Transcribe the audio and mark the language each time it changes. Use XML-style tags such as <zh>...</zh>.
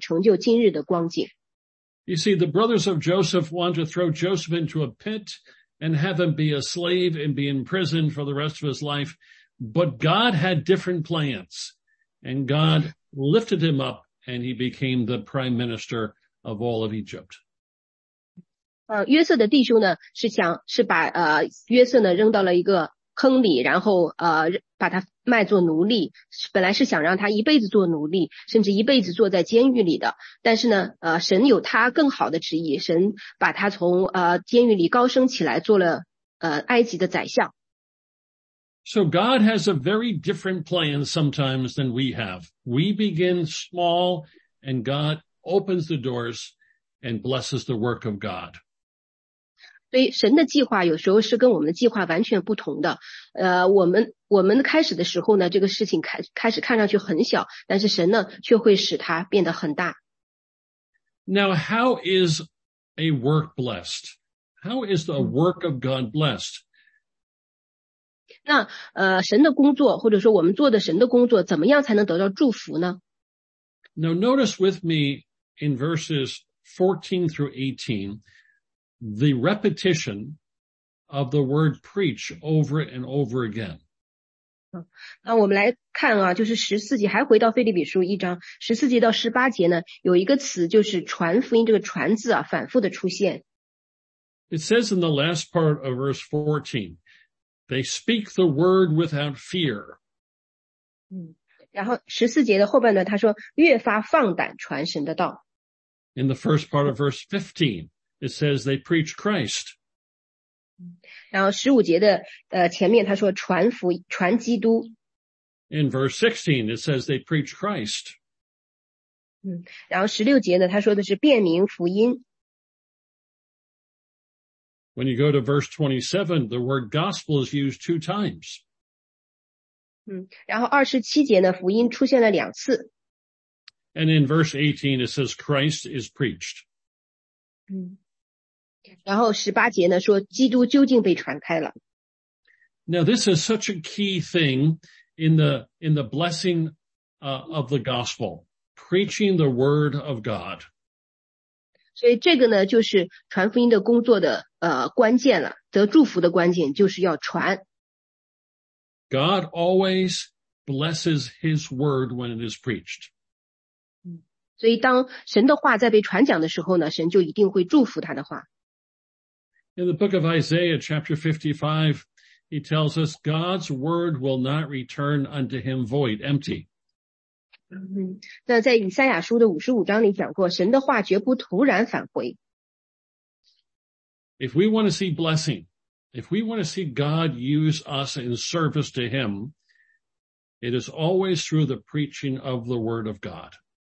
<zh>他说，从前你们就是人的意思啊，你们的意思是要害我，但神的意思原是好的，要保全许多人的性命，成就今日的光景。</zh> <en>You see, the brothers of Joseph want to throw Joseph into a pit and have him be a slave and be in prison for the rest of his life. But God had different plans, and God lifted him up, and he became the prime minister of all of Egypt.</en> <zh>约瑟的弟兄呢，是想把约瑟呢扔到了一个坑里，然后把他卖作奴隶。本来是想让他一辈子做奴隶，甚至一辈子坐在监狱里的。但是呢，神有他更好的旨意，神把他从监狱里高升起来，做了埃及的宰相。</zh> <en>So God has a very different plan sometimes than we have. We begin small, and God opens the doors and blesses the work of God.</en> <zh>所以神的计划有时候是跟我们的计划完全不同的。我们开始的时候呢，这个事情开始看上去很小，但是神呢却会使它变得很大。</zh> <en>Now, how is a work blessed? How is the work of God blessed?</en> <zh>那神的工作，或者说我们做的神的工作，怎么样才能得到祝福呢？</zh> <en>Now, notice with me in verses 14 through 18, the repetition of the word preach over and over again.</en> <zh>那我们来看啊，就是14节，还回到腓立比书一章14节到18节呢，有一个词就是传福音，这个传字啊反复的出现。</zh> <en>It says in the last part of verse 14, they speak the word without fear.</en> <zh>然后14节的后半段他说越发放胆传神的道。</zh> <en>In the first part of verse 15, it says they preach Christ.</en> <zh>然后15节的前面他说传基督。</zh> <en>In verse 16, it says they preach Christ.</en> <zh>然后16节呢他说的是辨明福音。</zh> <en>When you go to verse 27, the word gospel is used two times.</en> <zh>然后27节呢福音出现了两次。</zh> <en>And in verse 18, it says Christ is preached.</en> <zh>然后18节呢说基督究竟被传开了。</zh> <en>Now this is such a key thing in the blessing of the gospel, preaching the word of God.</en> <zh>所以这个呢就是传福音的工作的关键了，得祝福的关键就是要传。</zh> <en>God always blesses his word when it is preached.</en> <zh>所以当神的话在被传讲的时候呢，神就一定会祝福他的话。</zh> <en>In the book of Isaiah, chapter 55, he tells us God's word will not return unto him void, empty.</en> <zh>那在以赛亚书的55章里讲过，神的话绝不徒然返回。</zh> <en>If we want to see blessing, if we want to see God use us in service to him, it is always through the preaching of the word of God.</en>